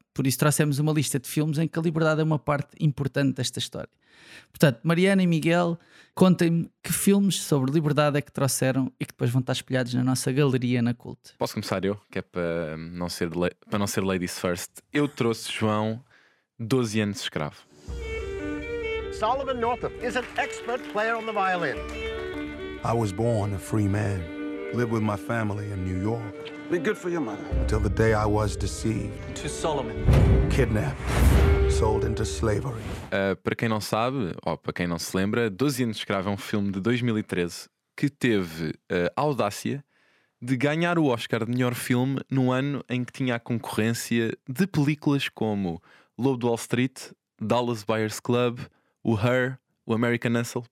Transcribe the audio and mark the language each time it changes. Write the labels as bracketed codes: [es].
[pt] Por isso, trouxemos uma lista de filmes em que a liberdade é uma parte importante desta história. Portanto, Mariana e Miguel, contem-me que filmes sobre liberdade é que trouxeram e que depois vão estar espelhados na nossa galeria na Cult. Posso começar eu, que é para não ser [en] ladies first. [pt] Eu trouxe, João, 12 anos de escravo. [en] Solomon Northup is an expert player on the violin. I was born a free man, lived with my family in New York. Be good for your mother. Until the day I was deceived. To Solomon. Kidnapped. Sold into slavery. [pt] Para quem não sabe, ou para quem não se lembra, 12 anos de escravo é um filme de 2013 que teve a audácia de ganhar o Oscar de melhor filme no ano em que tinha a concorrência de películas como Lobo de Wall Street, Dallas Buyers Club, o Her, o American Hustle.